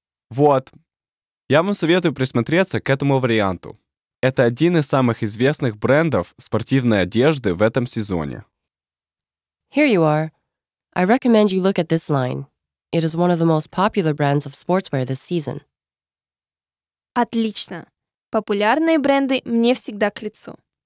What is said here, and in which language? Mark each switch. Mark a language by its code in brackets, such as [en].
[ru] Вот. Я вам советую присмотреться к этому варианту. Это один из самых известных брендов спортивной одежды в этом сезоне. [en] Here you are. I recommend you look at this line. It is one of the most popular brands of sportswear this season. [ru] Отлично. Популярные бренды мне всегда к лицу.